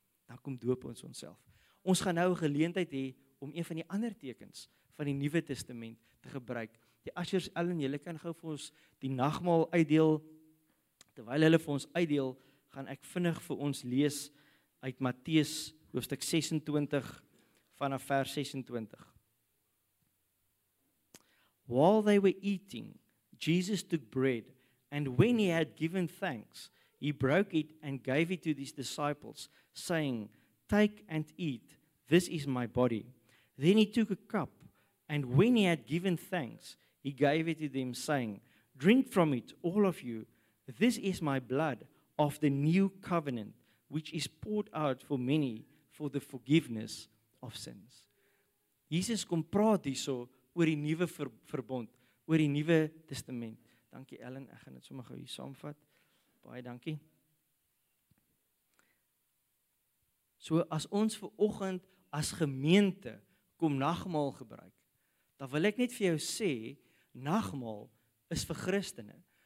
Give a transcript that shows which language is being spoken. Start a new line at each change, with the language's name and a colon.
Afrikaans: Dan kom doop ons onsself. Ons gaan nou 'n geleentheid hê om een van die ander tekens van die Nuwe Testament te gebruik. Die ushers Ellen, julle kan gou vir ons die nagmaal uitdeel. Terwyl hulle vir ons uitdeel, gaan ek vinnig vir ons lees uit Matteus hoofstuk 26 vanaf vers 26.
English: While they were eating, Jesus took bread, and when he had given thanks, he broke it and gave it to his disciples, saying, "Take and eat, this is my body." Then he took a cup, and when he had given thanks, he gave it to them, saying, "Drink from it, all of you. This is my blood of the new covenant, which is poured out for many for the forgiveness of sins."
Afrikaans: Jesus kom praat hierso oor die nuwe verbond, oor die nuwe testament. Dankie Ellen, ek gaan dit sommer gou hier saamvat. Baie dankie. So as ons ver oggend as gemeente kom nagmaal gebruik, dan wil ek net vir jou sê, nagmaal is vir Christene.